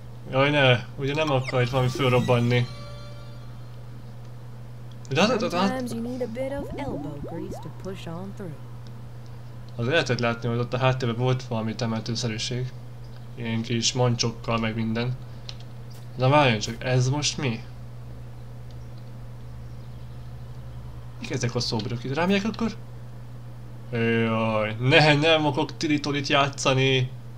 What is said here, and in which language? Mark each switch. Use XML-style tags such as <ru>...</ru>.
<hu>Jaj ne, ugye nem akar itt valami fölrobbanni.</hu> <en>Sometimes you need a bit of elbow grease to push on through.</en> <hu>Az lehetett látni, hogy ott a háttérben volt valami temetőszerűség. Ilyen kis mancsokkal meg minden. De várjon csak, ez most mi? Mik ezek a szobrok itt? Rámegyek akkor? Jaj, ne, nem akarok Tilitól itt játszani!</hu>